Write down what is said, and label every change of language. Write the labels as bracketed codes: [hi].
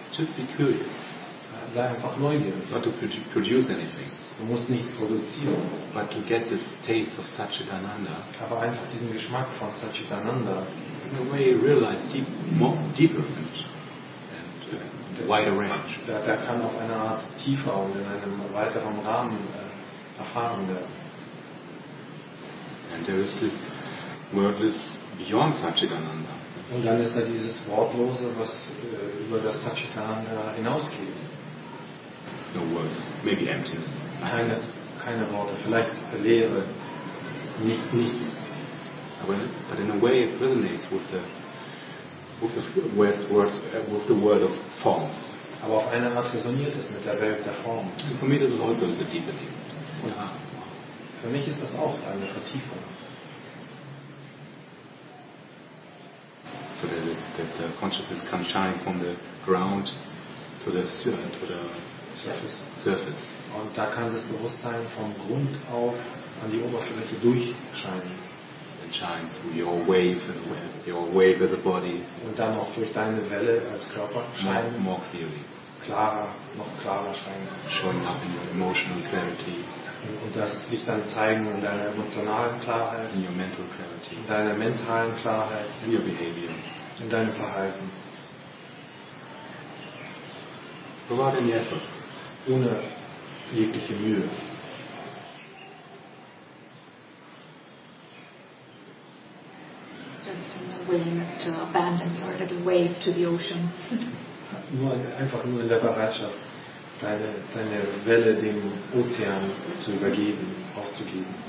[en] Just be curious. [de] Sei einfach neugierig. [en] Not to produce anything. [de] Du musst nichts produzieren. [en] But to get this taste of Satchitananda. [de] Aber einfach diesen Geschmack von Satchitananda. [en] In a way you realize deep, more, deeper and wider range. [de] Da kann auf einer Art tiefer und in einem weiteren Rahmen erfahren werden. [en] And there is this wordless beyond Satchitananda. [de] Und dann ist da dieses Wortlose, was über das Satchitananda hinausgeht. [en] No words, maybe emptiness. [de] Keine Worte, vielleicht Leere, nichts. [en] But in a way it resonates with the world of forms. [de] Aber auf eine Art resoniert es mit der Welt der Formen. [en] For me this is also a deepening. [de] Für mich ist das auch eine Vertiefung. [en] So that the consciousness can shine from the ground to the surface. [de] Und da kann das Bewusstsein vom Grund auf an die Oberfläche durchscheinen. [en] And shine through your wave, as a body. [de] Und dann auch durch deine Welle als Körper scheinen. [en] More clearly. [de] Klarer, noch klarer scheinen. [en] Showing up in your emotional clarity. [de] Und das sich dann zeigen in deiner emotionalen Klarheit. [en] In your mental clarity. [de] In deiner mentalen Klarheit. [en] In your behavior. [de] In deinem Verhalten. [en] Provide any effort. [de] Ohne jegliche Mühe. [en] Just in the willingness to abandon your little wave to the ocean. [de] Einfach nur in der Bereitschaft, deine Welle dem Ozean zu übergeben, aufzugeben.